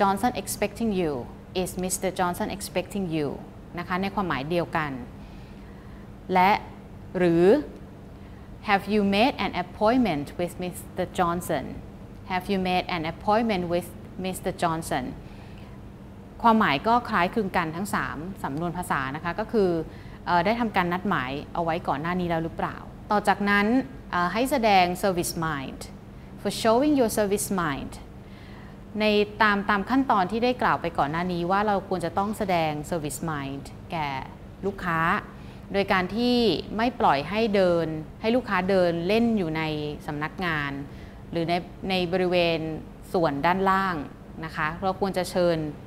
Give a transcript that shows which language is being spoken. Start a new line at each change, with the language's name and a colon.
English: Johnson expecting you? Is Mr. Johnson expecting you?
Thai: นะคะในความหมายเดียวกันและหรือ
English: Have you made an appointment with Mr. Johnson? Have you made an appointment with Mr. Johnson?
Thai: ความหมายก็คล้ายคลึงกันทั้ง3สำนวนภาษานะคะก็คือได้ทำการนัดหมายเอาไว้ก่อนหน้านี้แล้วหรือเปล่าต่อจากนั้นให้แสดง
English: service mind for showing your service mind
Thai: ในตามขั้นตอนที่ได้กล่าวไปก่อนหน้านี้ว่าเราควรจะต้องแสดง service mind แก่ลูกค้าโดยการที่ไม่ปล่อยให้เดินให้ลูกค้าเดินเล่นอยู่ในสำนักงานหรือในบริเวณส่วนด้านล่างนะคะเราควรจะเชิญ